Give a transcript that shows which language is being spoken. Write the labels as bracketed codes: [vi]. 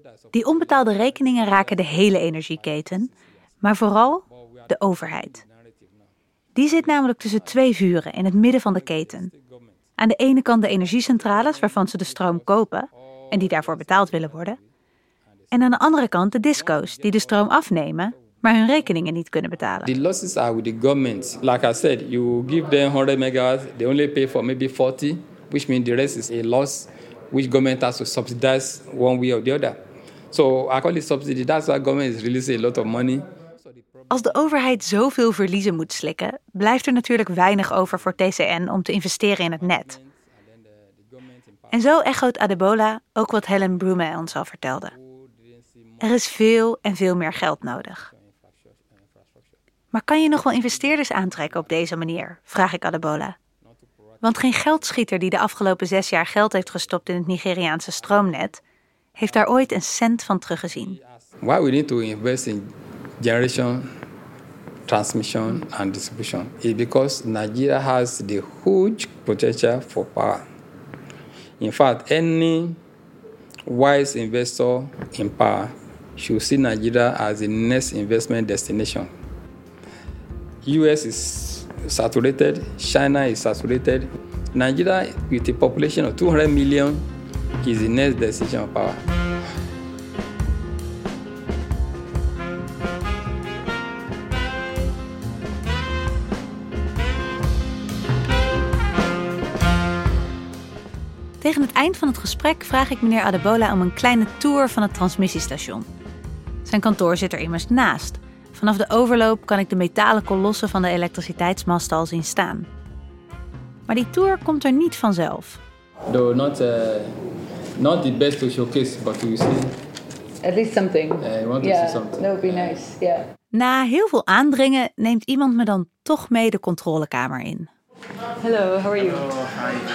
[nl] Die onbetaalde rekeningen raken de hele energieketen, maar vooral de overheid. Die zit namelijk tussen twee vuren in het midden van de keten. Aan de ene kant de energiecentrales waarvan ze de stroom kopen en die daarvoor betaald willen worden. En aan de andere kant de discos die de stroom afnemen, maar hun rekeningen niet kunnen betalen. [en] The losses are with the government. Like I said, you give them 100 megawatts, they only pay for maybe 40, which means the rest is a loss which government has to subsidize one way or the other. So I call it subsidy. That's why government is releasing a lot of money. [nl] Als de overheid zoveel verliezen moet slikken, blijft er natuurlijk weinig over voor TCN om te investeren in het net. En zo echoot Adebola ook wat Helen Broome ons al vertelde. Er is veel en veel meer geld nodig. Maar kan je nog wel investeerders aantrekken op deze manier, vraag ik Adebola. Want geen geldschieter die de afgelopen 6 jaar geld heeft gestopt in het Nigeriaanse stroomnet, heeft daar ooit een cent van teruggezien. [en] Why we need to invest in generation, transmission and distribution is because Nigeria has the huge potential for power. In fact, any wise investor in power should see Nigeria as the next investment destination. US is saturated, China is saturated. Nigeria, with a population of 200 million, is the next destination of power. [nl] Tegen het eind van het gesprek vraag ik meneer Adebola om een kleine tour van het transmissiestation. Zijn kantoor zit er immers naast. Vanaf de overloop kan ik de metalen kolossen van de elektriciteitsmast al zien staan. Maar die tour komt er niet vanzelf. [en] Though not the best to showcase, but you see. At least something. You want to see something. That would be nice. Yeah. [nl] Na heel veel aandringen neemt iemand me dan toch mee de controlekamer in. [en] Hello, how are you? Hello, hi.